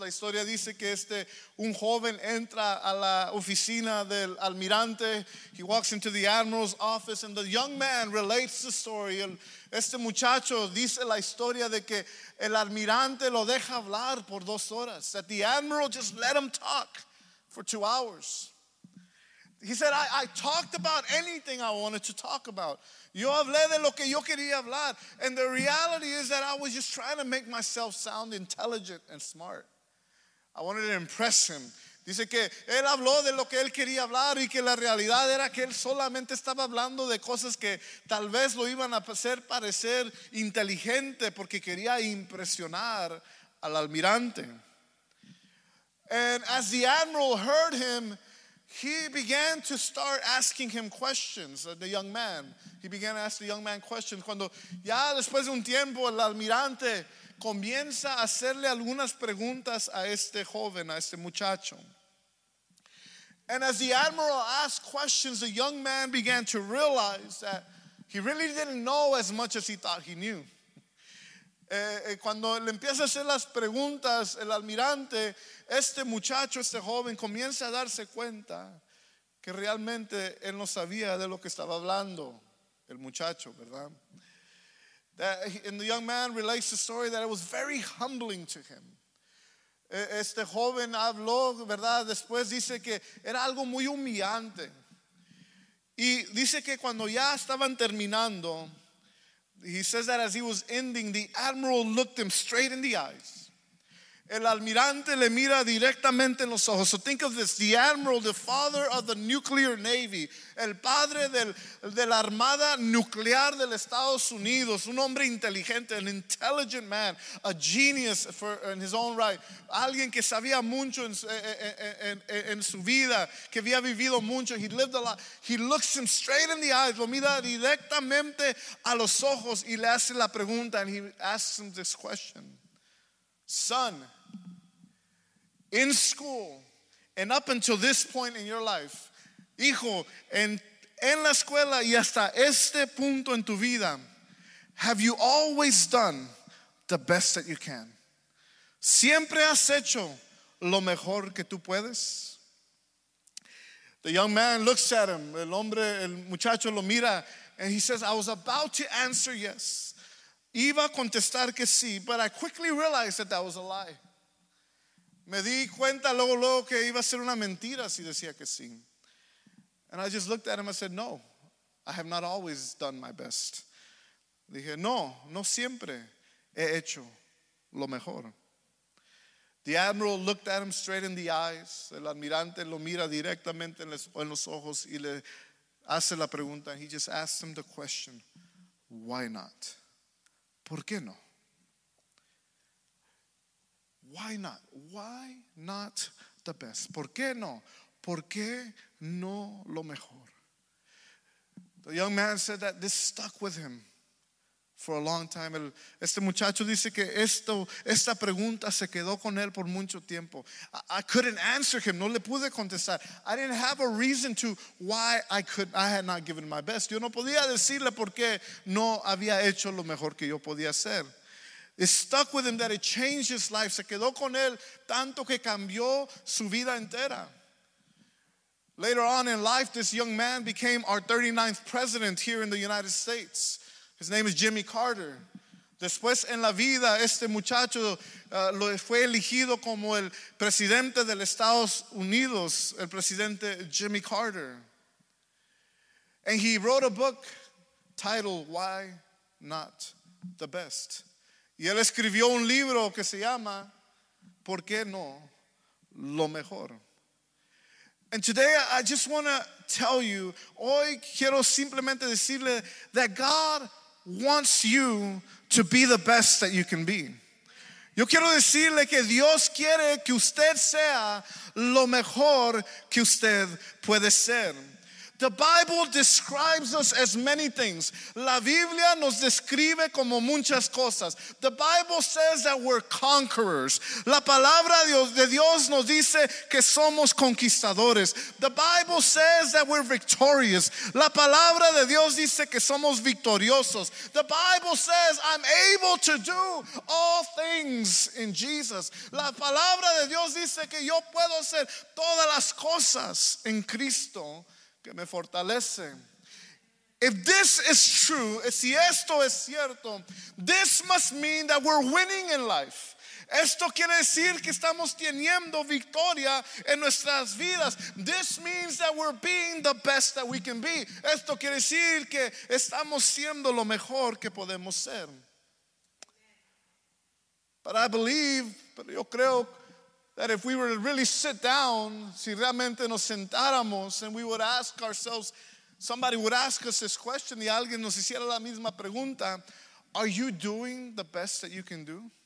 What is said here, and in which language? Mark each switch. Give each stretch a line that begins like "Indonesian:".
Spanish: La historia dice que un joven entra a la oficina del almirante.
English: He walks into the admiral's office, and the young man relates the story.
Spanish: Este muchacho dice la historia de que el almirante lo deja hablar por dos horas.
English: That the admiral just let him talk for 2 hours. He said, I talked about anything I wanted to talk about.
Spanish: Yo hablé de lo que yo quería hablar.
English: And the reality is that I was just trying to make myself sound intelligent and smart. I wanted to impress him.
Spanish: Dice que él habló de lo que él quería hablar y que la realidad era que él solamente estaba hablando de cosas que tal vez lo iban a hacer parecer inteligente porque quería impresionar al almirante.
English: And as the admiral heard him, he began to start asking him questions, the young man. He began to ask the young man questions.
Spanish: Cuando ya después de un tiempo el almirante comienza a hacerle algunas preguntas a este joven, a este muchacho.
English: And as the admiral asked questions, the young man began to realize that he really didn't know as much as he thought he knew.
Spanish: Cuando le empieza a hacer las preguntas el almirante, este muchacho, este joven, comienza a darse cuenta que realmente él no sabía de lo que estaba hablando el muchacho, ¿verdad?
English: And the young man relates the story that it was very humbling to him.
Spanish: Este joven habló, ¿verdad? Después dice que era algo muy humillante. Y dice que cuando ya estaban terminando,
English: he says that as he was ending, the admiral looked him straight in the eyes.
Spanish: El almirante le mira directamente en los ojos.
English: So think of this, the admiral, the father of the nuclear navy,
Spanish: el padre de la armada nuclear del Estados Unidos, un hombre inteligente,
English: an intelligent man, a genius for, in his own right,
Spanish: alguien que sabía mucho en su vida, que había vivido mucho,
English: he lived a lot. He looks him straight in the eyes,
Spanish: lo mira directamente a los ojos y le hace la pregunta,
English: and he asks him this question. Son, in school, and up until this point in your life,
Spanish: hijo, en la escuela y hasta este punto en tu vida,
English: have you always done the best that you can?
Spanish: ¿Siempre has hecho lo mejor que tú puedes?
English: The young man looks at him,
Spanish: el hombre, el muchacho lo mira,
English: and he says, I was about to answer yes.
Spanish: Iba a contestar que sí,
English: but I quickly realized that that was a lie.
Spanish: Me di cuenta luego, luego que iba a ser una mentira si decía que sí.
English: And I just looked at him and said, no, I have not always done my best.
Spanish: Dije, no, no siempre he hecho lo mejor.
English: The admiral looked at him straight in the eyes.
Spanish: El almirante lo mira directamente en los ojos y le hace la pregunta.
English: He just asked him the question, why not?
Spanish: ¿Por qué no?
English: Why not? Why not the best?
Spanish: ¿Por qué no? ¿Por qué no lo mejor?
English: The young man said that this stuck with him for a long time.
Spanish: Este muchacho dice que esta pregunta se quedó con él por mucho tiempo.
English: I couldn't answer him.
Spanish: No le pude contestar.
English: I didn't have a reason to why I had not given my best.
Spanish: Yo no podía decirle por qué no había hecho lo mejor que yo podía hacer.
English: It stuck with him that it changed his life.
Spanish: Se quedó con él tanto que cambió su vida entera.
English: Later on in life, this young man became our 39th president here in the United States. His name is Jimmy Carter.
Spanish: Después en la vida, este muchacho lo fue elegido como el presidente de los Estados Unidos, el presidente Jimmy Carter.
English: And he wrote a book titled, Why Not the Best?
Spanish: Y él escribió un libro que se llama, ¿Por qué no lo mejor?
English: And today I just want to tell you,
Spanish: hoy quiero simplemente decirle
English: that God wants you to be the best that you can be.
Spanish: Yo quiero decirle que Dios quiere que usted sea lo mejor que usted puede ser.
English: The Bible describes us as many things.
Spanish: La Biblia nos describe como muchas cosas.
English: The Bible says that we're conquerors.
Spanish: La palabra de Dios nos dice que somos conquistadores.
English: The Bible says that we're victorious.
Spanish: La palabra de Dios dice que somos victoriosos.
English: The Bible says I'm able to do all things in Jesus.
Spanish: La palabra de Dios dice que yo puedo hacer todas las cosas en Cristo. Que me fortalece.
English: If this is true,
Spanish: si esto es cierto,
English: this must mean that we're winning in life.
Spanish: Esto quiere decir que estamos teniendo victoria en nuestras vidas.
English: This means that we're being the best that we can be.
Spanish: Esto quiere decir que estamos siendo lo mejor que podemos ser.
English: But I believe,
Spanish: pero yo creo,
English: that if we were to really sit down,
Spanish: si realmente nos sentáramos,
English: and we would ask ourselves, somebody would ask us this question,
Spanish: y alguien nos hiciera la misma pregunta,
English: are you doing the best that you can do?